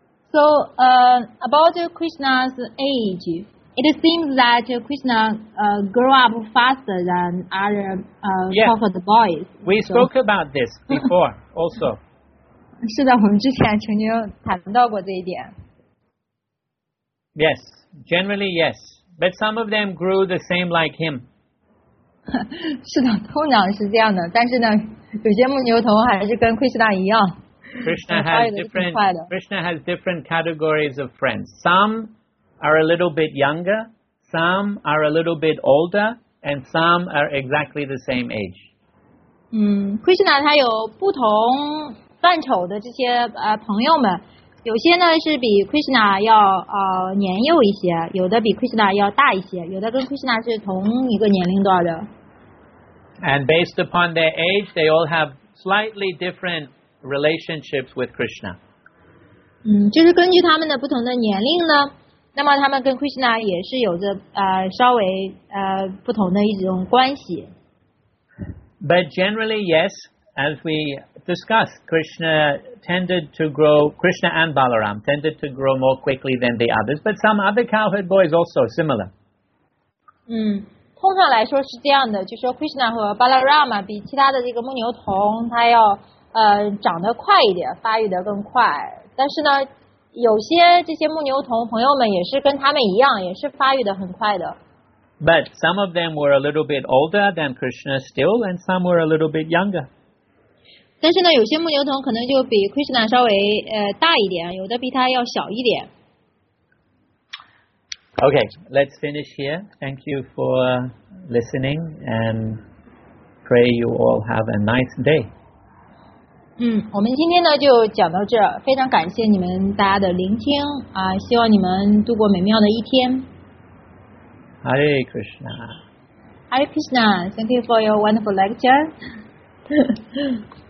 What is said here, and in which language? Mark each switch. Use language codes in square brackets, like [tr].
[en] So, about Krishna's age, it seems that Krishna grow up faster than other prophet boys. We spoke about this before, also. [zh] 是的，我们之前曾经谈到过这一点。 [en] Yes. Generally, yes. But some of them grew the same like him. [zh] 是的，通常是这样的。但是呢，有些牧牛童还是跟 Krishna 一样。 [en] Krishna has different categories of friends. Some are a little bit younger, some are a little bit older, and some are exactly the same age. [zh] Krishna 他有不同范畴的这些朋友们。有些呢是比 Krishna 要年幼一些，有的比 Krishna 要大一些，有的跟 Krishna 是同一个年龄段的。 [en] And based upon their age, they all have slightly different relationships with Krishna. [zh] 就是根据他们的不同的年龄呢，那么他们跟 Krishna 也是有着稍微不同的一种关系。 [en] But generally, yes, as we discussed, Krishna and Balaram tended to grow more quickly than the others, but some other cowherd boys also similar. [zh] 通常来说是这样的，就说 Krishna 和 Balaram 比其他的这个牧牛童，他要长得快一点，发育得更快。但是呢，有些这些牧牛童朋友们也是跟他们一样，也是发育得很快的。 [en] But some of them were a little bit older than Krishna still, and some were a little bit younger. [zh] 但是呢，有些牧牛童可能就比 Krishna 稍微大一点，有的比他要小一点。 [en] Okay, let's finish here. Thank you for listening and pray you all have a nice day. [zh] 我们今天呢就讲到这，非常感谢你们大家的聆听啊，希望你们度过美妙的一天。 [sa] Hare Krishna. [en] Hare Krishna. Thank you for your wonderful lecture.